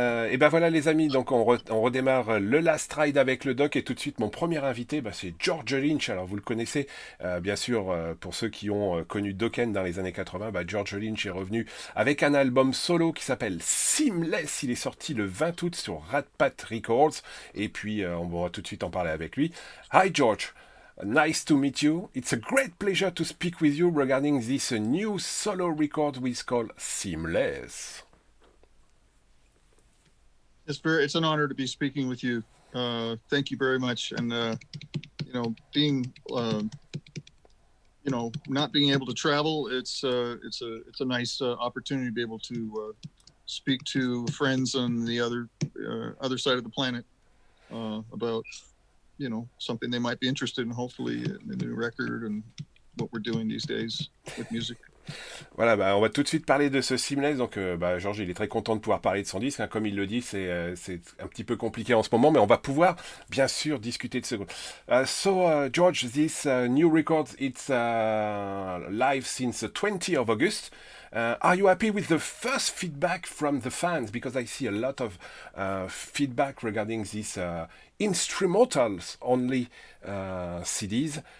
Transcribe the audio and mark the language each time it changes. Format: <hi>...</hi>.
<fr>Et ben voilà les amis, donc on redémarre le Last Ride avec le Doc, et tout de suite mon premier invité, ben c'est George Lynch. Alors vous le connaissez, bien sûr, pour ceux qui ont connu Dokken dans les années 80, ben George Lynch est revenu avec un album solo qui s'appelle Seamless. Il est sorti le 20 août sur Ratpat Records, et puis on va tout de suite en parler avec lui.</fr> <en>Hi George, nice to meet you. It's a great pleasure to speak with you regarding this new solo record we call Seamless. It's an honor to be speaking with you. Thank you very much. And, you know, being, you know, not being able to travel, it's a nice opportunity to be able to speak to friends on the other side of the planet about, you know, something they might be interested in, hopefully, in a new record and what we're doing these days with music.</en> <fr>Voilà, bah, on va tout de suite parler de ce Seamless. Donc, bah, Georges, il est très content de pouvoir parler de son disque. Hein. Comme il le dit, c'est un petit peu compliqué en ce moment, mais on va pouvoir, bien sûr, discuter de ce.</fr> <en>George, this new record, it's live since the 20th of August. Are you happy with the first feedback from the fans? Because I see a lot of feedback regarding this instrumentals only CDs.</en>